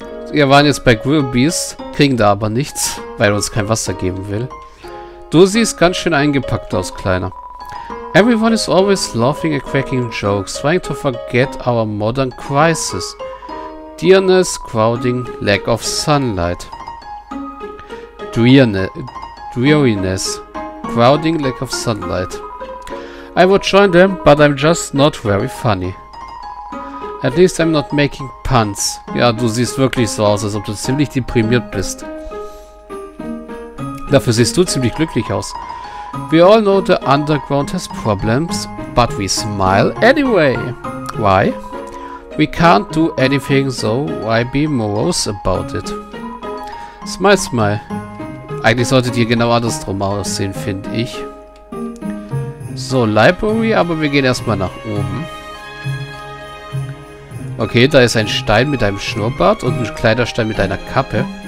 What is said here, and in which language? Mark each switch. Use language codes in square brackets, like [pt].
[de] Wir waren jetzt bei Grillbeast, kriegen da aber nichts, weil er uns kein Wasser geben will. Du siehst ganz schön eingepackt aus, Kleiner. [en] Everyone is always laughing and cracking jokes, trying to forget our modern crisis. Dearness, crowding, lack of sunlight. Dreariness, crowding, lack of sunlight. I would join them, but I'm just not very funny. At least I'm not making puns. [de] Ja, du siehst wirklich so aus, als ob du ziemlich deprimiert bist. Dafür siehst du ziemlich glücklich aus. [en] We all know the underground has problems, but we smile anyway. Why? We can't do anything, so why be morose about it? Smile, smile. [de] Eigentlich solltet ihr genau andersrum aussehen, finde ich. So, Library, aber wir gehen erstmal nach oben. Okay, da ist ein Stein mit einem Schnurrbart und ein Kleiderstein mit einer Kappe.